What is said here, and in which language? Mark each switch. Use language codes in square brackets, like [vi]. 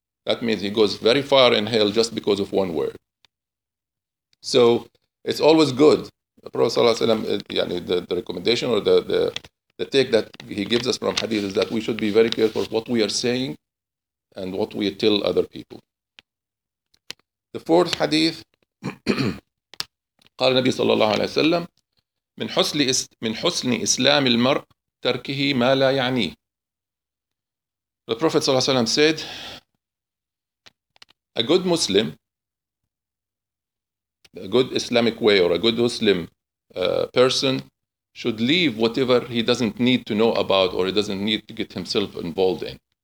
[en] That means he goes very far in hell just because of one word. So it's always good. The Prophet sallallahu alaihi wasallam, the recommendation or the take that he gives us from hadith is that we should be very careful of what we are saying and what we tell other people. The fourth hadith, [ar] قال النبي صلى الله عليه وسلم من حسن إسلام المرء تركه ما لا يعنيه. [en] The Prophet [ar] صلى الله عليه وسلم [en] said, a good Muslim, a good Islamic way or a good Muslim person should leave whatever he doesn't need to know about or he doesn't need to get himself involved in.